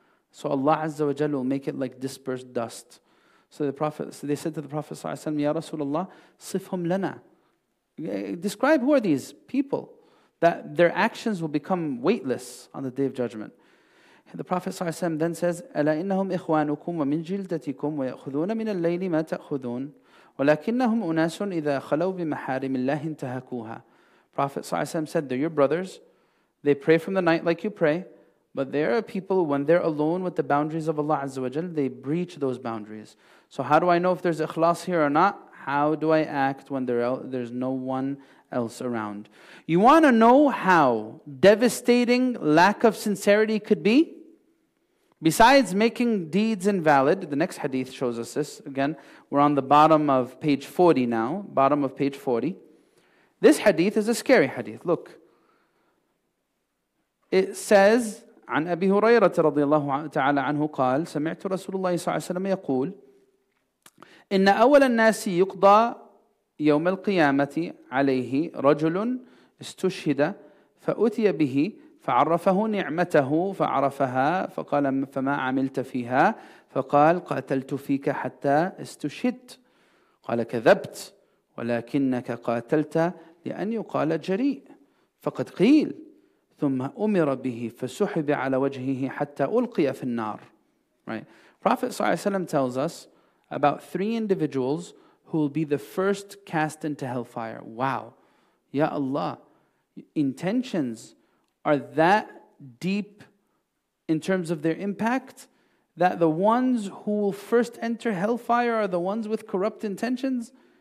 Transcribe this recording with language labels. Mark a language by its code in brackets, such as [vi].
[en] So Allah Azza wa Jalla will make it like dispersed dust. So they said to the Prophet Sallallahu Alaihi Wasallam, [ar] Ya Rasulullah, sifhum lana. [en] Describe who are these people that their actions will become weightless on the Day of Judgment. The Prophet Sallallahu Alaihi Wasallam then says, [ar] أَلَا إِنَّهُمْ إِخْوَانُكُمْ وَمِنْ جِلْدَتِكُمْ وَيَأْخُذُونَ مِنَ اللَّيْلِ مَا تَأْخُذُونَ وَلَكِنَّهُمْ أُنَاسٌ إِذَا خَلَوْا بِمَحَارِمِ اللَّهِ انْتَهَكُوهَا. [en] Prophet ﷺ said, they're your brothers. They pray from the night like you pray. But there are people, when they're alone with the boundaries of Allah Azza wa Jalla, they breach those boundaries. So how do I know if there's ikhlas here or not? How do I act when there's no one else around? You want to know how devastating lack of sincerity could be? Besides making deeds invalid, the next hadith shows us this. Again, we're on the bottom of page 40 now. Bottom of page 40. This hadith is a scary hadith. Look. It says, [ar] عن أبي هريرة رضي الله تعالى عنه قال سمعت رسول الله صلى الله عليه وسلم يقول إن أول الناس يقضى يوم القيامة عليه رجل استشهد فأتي به فعرفه نعمته فعرفها فقال فما عملت فيها فقال قاتلت فيك حتى استشهدت قال كذبت ولكنك قاتلت لأن يقال جريء فقد قيل ثم أمر به فسحب على وجهه حتى ألقي في النار. [en] Right. Prophet صلى الله عليه وسلم tells us about three individuals who will be the first cast into hellfire. Wow. Ya Allah. Intentions are that deep in terms of their impact that the ones who will first enter hellfire are the ones with corrupt intentions.